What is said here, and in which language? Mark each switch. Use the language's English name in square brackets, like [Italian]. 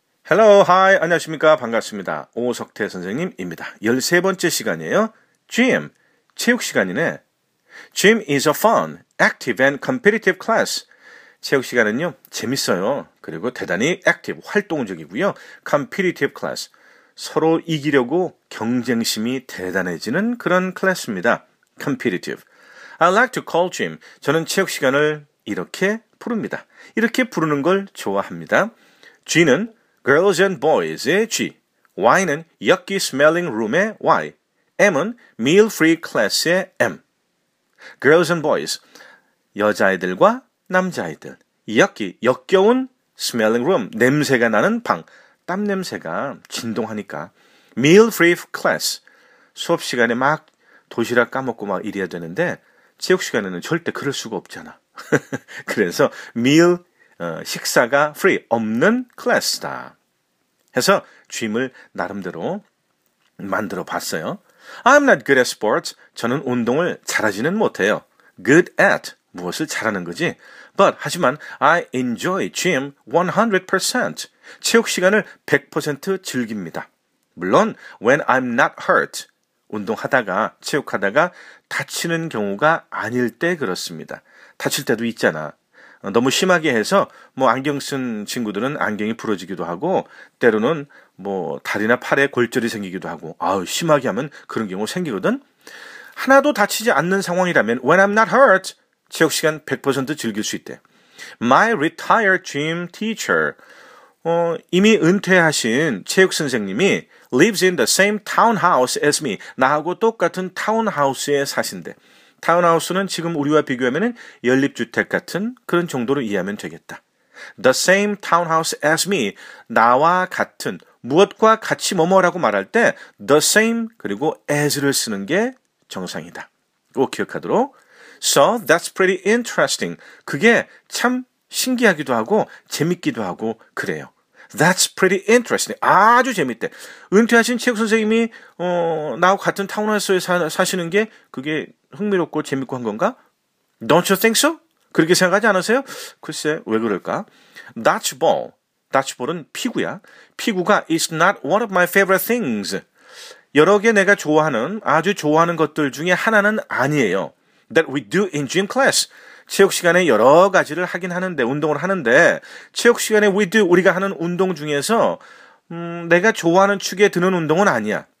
[English] Hello, hi, [Korean] 안녕하십니까? 반갑습니다. 오석태 선생님입니다. 13번째 시간이에요. Gym, 체육 시간이네. [English] Gym is a fun, active and competitive class. [Korean] 체육 시간은요, 재밌어요. 그리고 대단히 active, 활동적이고요. [English] Competitive class, [Korean] 서로 이기려고 경쟁심이 대단해지는 그런 클래스입니다. [English] Competitive. I like to call gym. [Korean] 저는 체육 시간을 이렇게 부릅니다. 이렇게 부르는 걸 좋아합니다. [English] G는 girls and boys의 G, Y는 yucky smelling room의 Y, M은 meal free class의 M. Girls and boys, [Korean] 여자아이들과 남자아이들, [English] yucky, [Korean] 역겨운 [English] smelling room, [Korean] 냄새가 나는 방, 땀냄새가 진동하니까, [English] meal free class, [Korean] 수업시간에 막 도시락 까먹고 막 이래야 되는데 체육시간에는 절대 그럴 수가 없잖아. 그래서 meal, 식사가 free, 없는 class다. 해서 짐을 나름대로 만들어 봤어요. [English] I'm not good at sports. [Korean] 저는 운동을 잘하지는 못해요. [English] Good at [Korean] 무엇을 잘하는 거지. [English] But [Korean] 하지만 [English] I enjoy gym 100%. [Korean] 체육 시간을 100% 즐깁니다. 물론 [English] when I'm not hurt. [Korean] 운동하다가 체육하다가 다치는 경우가 아닐 때 그렇습니다. 다칠 때도 있잖아. 너무 심하게 해서 뭐 안경 쓴 친구들은 안경이 부러지기도 하고 때로는 뭐 다리나 팔에 골절이 생기기도 하고 아우 심하게 하면 그런 경우 생기거든. 하나도 다치지 않는 상황이라면 [English] when I'm not hurt [Korean] 체육 시간 100% 즐길 수 있대. [English] My retired gym teacher [Korean] 이미 은퇴하신 체육 선생님이 [English] lives in the same townhouse as me. [Korean] 나하고 똑같은 타운하우스에 사신대. 타운하우스는 지금 우리와 비교하면 연립주택 같은 그런 정도로 이해하면 되겠다. [English] The same townhouse as me, [Korean] 나와 같은, 무엇과 같이 뭐뭐라고 말할 때 [English] the same [Korean] 그리고 as를 쓰는 게 정상이다. 꼭 기억하도록. [English] So that's pretty interesting. [Korean] 그게 참 신기하기도 하고 재밌기도 하고 그래요. [English] That's pretty interesting. [Korean] 아주 재밌대. 은퇴하신 체육 선생님이 나하고 같은 타운하우스에 사시는 게 그게 흥미롭고 재밌고 한 건가? [English] Don't you think so? [Korean] 그렇게 생각하지 않으세요? 글쎄, 왜 그럴까? Dodgeball. Dodgeball은 피구야. 피구가 [English] is not one of my favorite things. [Korean] 여러 개 내가 좋아하는, 아주 좋아하는 것들 중에 하나는 아니에요. [English] That we do in gym class. [Korean] 체육 시간에 여러 가지를 하긴 하는데, 운동을 하는데 체육 시간에 [English] we do, [Korean] 우리가 하는 운동 중에서 내가 좋아하는 축에 드는 운동은 아니야.